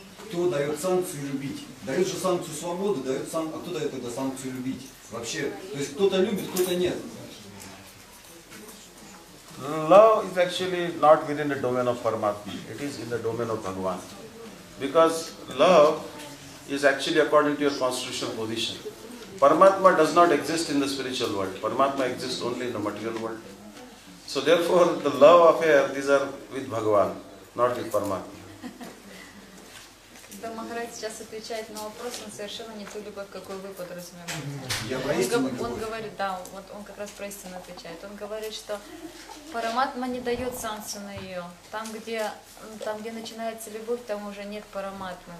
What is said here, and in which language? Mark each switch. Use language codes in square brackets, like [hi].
[ru] Кто дает санкцию любить? Дает же санкцию свободы, дает санкцию. А кто дает тогда санкцию любить? Вообще, то есть кто-то любит, кто-то нет. [en] Love is actually not within the domain of Paramatma. It is in the domain of Bhagavan. Because love is actually according to your constitutional position. Paramatma does not exist in the spiritual world. Paramatma exists only in the material world. So therefore, the love affair, these are with Bhagavan, not with Paramatma. [ru] Когда Махарадж сейчас отвечает на вопрос, он совершенно не ту любовь, какую вы подразумеваете. Он как раз про истину отвечает. Он говорит, что параматма не дает санкцию на ее. Там, где начинается любовь, там уже нет параматмы.